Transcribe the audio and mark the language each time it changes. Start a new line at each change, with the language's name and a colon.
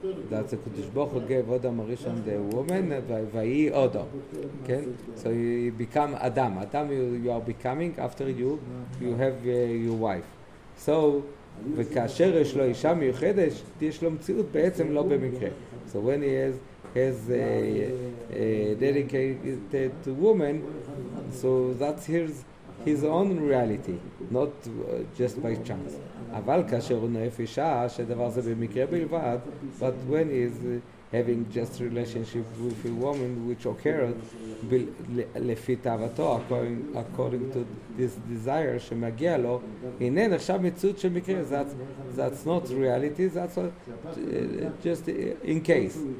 English: That's the Kodesh Baruch Hu gave Adam Rishon the woman, Vayi Adam. Okay? So you become Adam. Adam, you are becoming after you have your wife.
Hebrew: So, וכאשר יש לו אישה מיוחדת, יש לו מציאות בעצם לא במקרה.
English: So when he has a dedicated woman, so that's his own reality, not just by chance.
Hebrew: אבל כאשר הוא נועף אישה, שדבר זה במקרה בלבד,
English: but when he is having just relationship with a woman which occurred,
Hebrew: לפי תאוותו,
English: according to this desire
Hebrew: שמגיע לו, הנה נחשב מציאות של מקרה,
English: that's not reality, that's just in case.